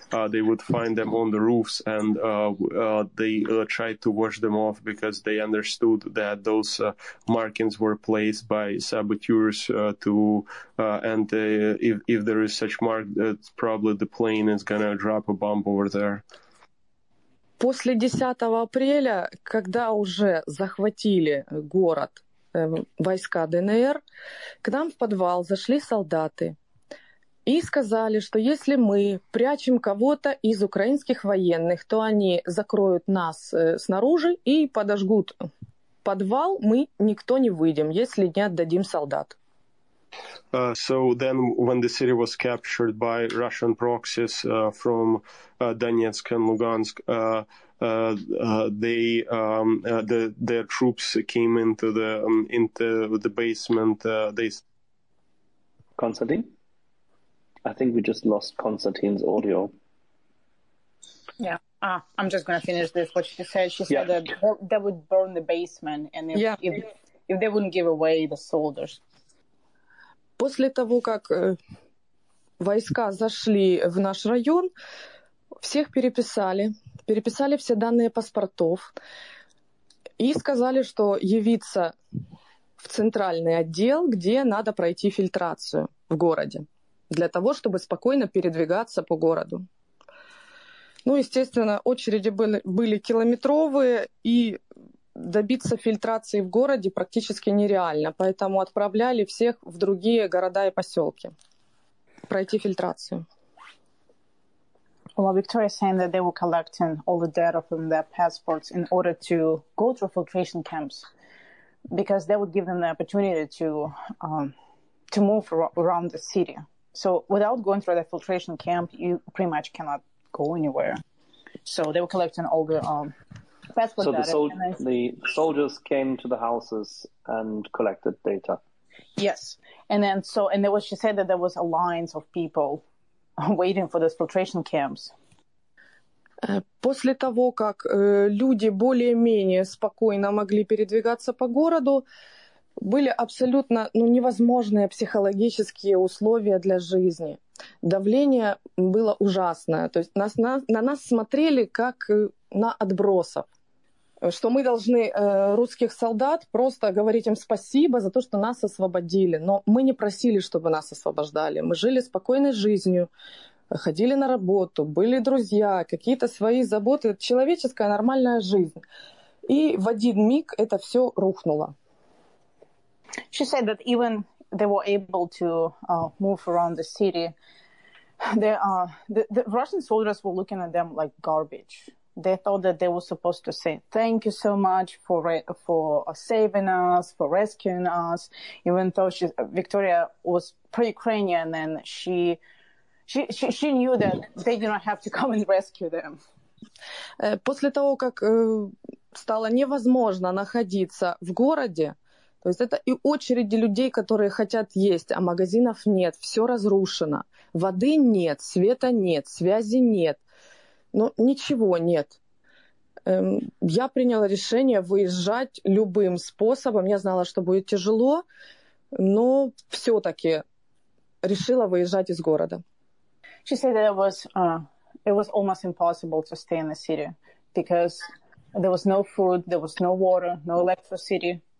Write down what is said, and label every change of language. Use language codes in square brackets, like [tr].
[en] They would find them on the roofs, and they tried to wash them off because they understood that those markings were placed by saboteurs if there is such mark, it's probably the plane is gonna drop a bomb over there. [ru] После 10 апреля, когда уже захватили город войска ДНР, к нам в подвал зашли солдаты. и сказали, что если мы прячем кого-то из украинских военных, то они закроют нас снаружи и подожгут подвал, мы никто не выйдем, если не отдадим солдат. [en] So then when the city was captured by Russian proxies from Donetsk and Lugansk, their troops came into the basement. Konstantin? I think we just lost Konstantin's audio. Yeah. I'm just going to finish this. What she said, that they would burn the basement, and if they wouldn't give away the soldiers. [ru] После того, как войска зашли в наш район, всех переписали все данные паспортов и сказали, что явиться в центральный отдел, где надо пройти фильтрацию в городе, для того, чтобы спокойно передвигаться по городу. Ну, естественно, очереди были километровые, и добиться фильтрации в городе практически нереально, поэтому отправляли всех в другие города и поселки пройти фильтрацию. [en] Well, Victoria is saying that they were collecting all the data from their passports in order to go through filtration camps, because that would give them the opportunity to move around the city. So without going through the filtration camp, you pretty much cannot go anywhere. So they were collecting all the passport data. The soldiers came to the houses and collected data. Yes, and there was, she said that there was a line of people waiting for those filtration camps. [ru] После того, как люди более-менее спокойно могли передвигаться по городу, были абсолютно невозможные психологические условия для жизни. Давление было ужасное. То есть на нас смотрели как на отбросов. Что мы должны русских солдат просто говорить им спасибо за то, что нас освободили. Но мы не просили, чтобы нас освобождали. Мы жили спокойной жизнью, ходили на работу, были друзья, какие-то свои заботы. Человеческая нормальная жизнь. И в один миг это все рухнуло. [en] She said that even they were able to move around the city, the Russian soldiers were looking at them like garbage. They thought that they were supposed to say thank you so much for saving us, for rescuing us. Even though Victoria was pro-Ukrainian, and she knew that they did not have to come and rescue them. [ru] После того, как стало невозможно находиться в городе. То есть это и очереди людей, которые хотят есть, а магазинов нет, все разрушено. Воды нет, света нет, связи нет. Ну, ничего нет. Я приняла решение выезжать любым способом. Я знала, что будет тяжело, но все-таки решила выезжать из города. [en] She said that it was almost impossible to stay in the city, because there was no food, there was no water, no electricity.